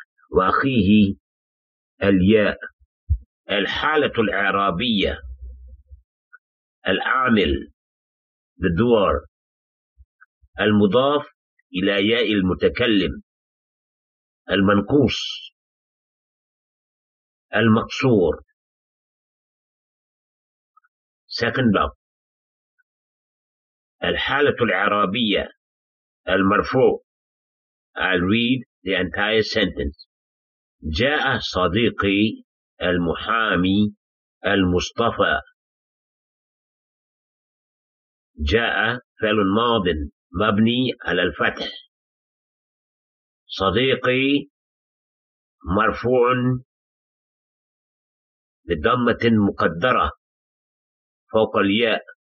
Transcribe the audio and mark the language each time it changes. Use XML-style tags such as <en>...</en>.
<ar>وأخيه الياء الحالة الإعرابية العامل بالدوار المضاف إلى ياء المتكلم المنقوص المقصور.</ar> <en>Second up</en> <ar>الحالة الإعرابية المرفوع.</ar> <en>I'll read the entire sentence.</en> <ar>جاء صديقي المحامي المصطفى. جاء فعل ماض مبني على الفتح. صديقي مرفوع بضمة مقدرة فوق الياء.</ar>